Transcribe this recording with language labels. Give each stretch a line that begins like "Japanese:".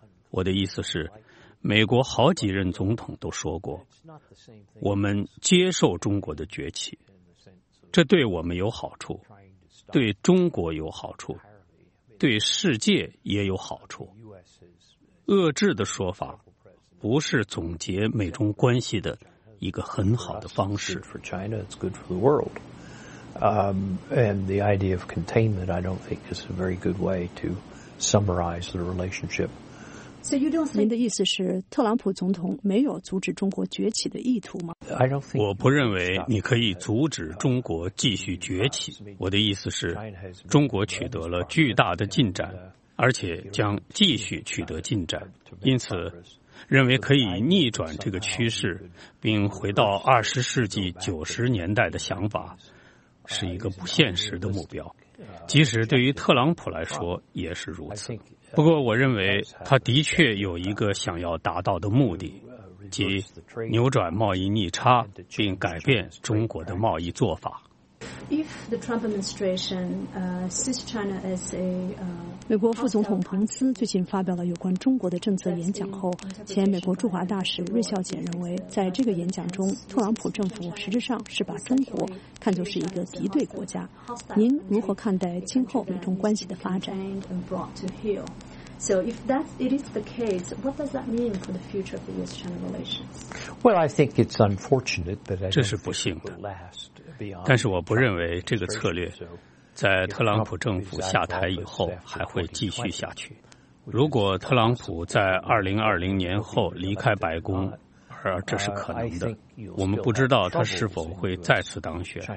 Chinese: 我的意思是，美国好几任总统都说过，我们接受中国的崛起，这对我们有好处，对中国有好处，对世界也有好处。遏制的说法不是总结美中关系的一个很好的方式。
English: And the idea of containment, I don't think is a very good way to summarize the relationship. So you don't think
Chinese: 您的意思是特朗普总统没有阻止中国崛起的意图吗？
English: I don't think
Chinese: 我不认为你可以阻止中国继续崛起。我的意思是，中国取得了巨大的进展，而且将继续取得进展，因此认为可以逆转这个趋势，并回到20世纪90年代的想法，是一个不现实的目标，即使对于特朗普来说也是如此。不过我认为他的确有一个想要达到的目的，即扭转贸易逆差并改变中国的贸易做法。
English: If the Trump administration sees China as a
Chinese: 美国副总统彭斯最近发表了有关中国的政策演讲后，前美国驻华大使芮孝俭认为，在这个演讲中，特朗普政府实质上是把中国看作是一个敌对国家。您如何看待今后美中关系的发展
English: ？And brought to heel. So if that it is the case, what does that mean for the future of the U.S.-China relations? Well, I think it's unfortunate, but
Chinese: 这是不幸的。但是我不认为这个策略在特朗普政府下台以后还会继续下去。如果特朗普在2020年后离开白宫，而这是可能的，我们不知道他是否会再次当选。